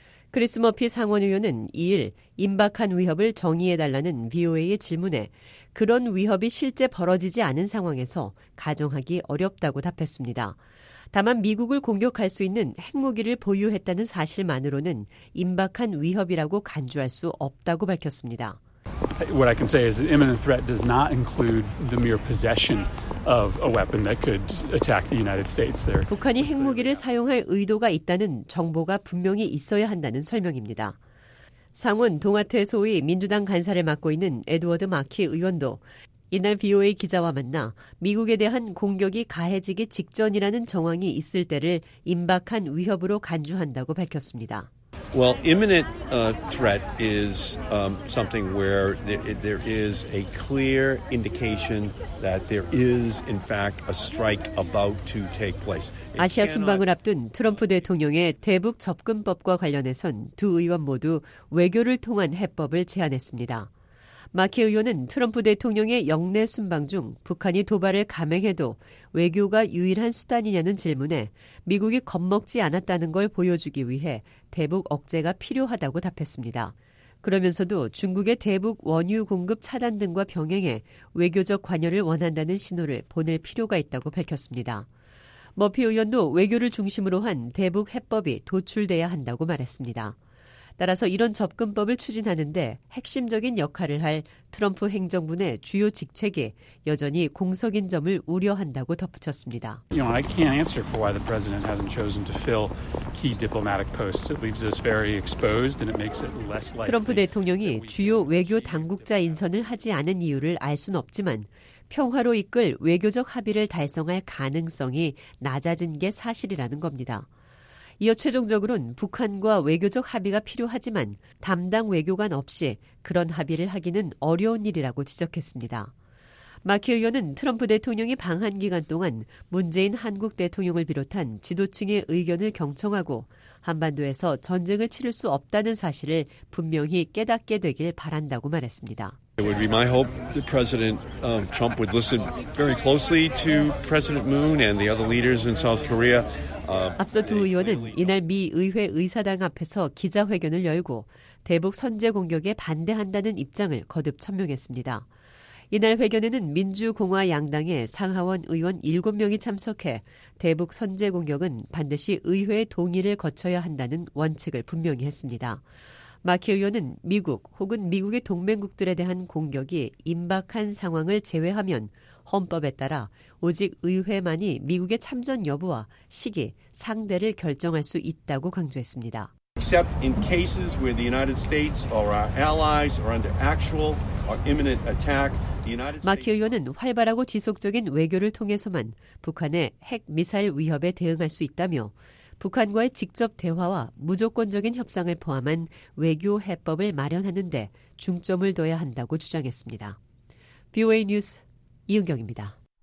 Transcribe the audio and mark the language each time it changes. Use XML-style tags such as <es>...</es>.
<ko>크리스 머피 상원 의원은 2일 임박한 위협을 정의해달라는 BOA의 질문에 그런 위협이 실제 벌어지지 않은 상황에서 가정하기 어렵다고 답했습니다. 다만 미국을 공격할 수 있는 핵무기를 보유했다는 사실만으로는 임박한 위협이라고 간주할 수 없다고 밝혔습니다.</ko> <en>What I can say is an imminent threat does not include the mere possession of a weapon that could attack the United States there.</en> <ko>북한이 핵무기를 사용할 의도가 있다는 정보가 분명히 있어야 한다는 설명입니다. 상원 동아태 소위 민주당 간사를 맡고 있는 에드워드 마키 의원도 이날 BOA 기자와 만나 미국에 대한 공격이 가해지기 직전이라는 정황이 있을 때를 임박한 위협으로 간주한다고 밝혔습니다.</ko> <en>Well, imminent threat is something where there is a clear indication that there is in fact a strike about to take place.</en> <ko>아시아 순방을 앞둔 트럼프 대통령의 대북 접근법과 관련해선 두 의원 모두 외교를 통한 해법을 제안했습니다. 마키 의원은 트럼프 대통령의 영내 순방 중 북한이 도발을 감행해도 외교가 유일한 수단이냐는 질문에 미국이 겁먹지 않았다는 걸 보여주기 위해 대북 억제가 필요하다고 답했습니다. 그러면서도 중국의 대북 원유 공급 차단 등과 병행해 외교적 관여를 원한다는 신호를 보낼 필요가 있다고 밝혔습니다. 머피 의원도 외교를 중심으로 한 대북 해법이 도출돼야 한다고 말했습니다. 따라서 이런 접근법을 추진하는 데 핵심적인 역할을 할 트럼프 행정부 내 주요 직책이 여전히 공석인 점을 우려한다고 덧붙였습니다.</ko> <en>You know, I can't answer for why the president hasn't chosen to fill key diplomatic posts. It leaves us very exposed and it makes it less likely.</en> <ko>트럼프 대통령이 주요 외교 당국자 인선을 하지 않은 이유를 알 순 없지만 평화로 이끌 외교적 합의를 달성할 가능성이 낮아진 게 사실이라는 겁니다. 이어 최종적으로는 북한과 외교적 합의가 필요하지만 담당 외교관 없이 그런 합의를 하기는 어려운 일이라고 지적했습니다. 마키 의원은 트럼프 대통령이 방한 기간 동안 문재인 한국 대통령을 비롯한 지도층의 의견을 경청하고 한반도에서 전쟁을 치를 수 없다는 사실을 분명히 깨닫게 되길 바란다고 말했습니다.</ko> <en>It would be my hope that President Trump would listen very closely to President Moon and the other leaders in South Korea.</en> <ko>앞서 두 의원은 이날 미 의회 의사당 앞에서 기자회견을 열고 대북 선제 공격에 반대한다는 입장을 거듭 천명했습니다. 이날 회견에는 민주공화 양당의 상하원 의원 7명이 참석해 대북 선제 공격은 반드시 의회의 동의를 거쳐야 한다는 원칙을 분명히 했습니다. 마키 의원은 미국 혹은 미국의 동맹국들에 대한 공격이 임박한 상황을 제외하면 헌법에 따라 오직 의회만이 미국의 참전 여부와 시기, 상대를 결정할 수 있다고 강조했습니다.</ko> <en>Except in cases where the United States or our allies are under actual or imminent attack, the United States.</en> <ko>마키 의원은 활발하고 지속적인 외교를 통해서만 북한의 핵 미사일 위협에 대응할 수 있다며 북한과의 직접 대화와 무조건적인 협상을 포함한 외교 해법을 마련하는 데 중점을 둬야 한다고 주장했습니다. BOA 뉴스 이은경입니다.</ko>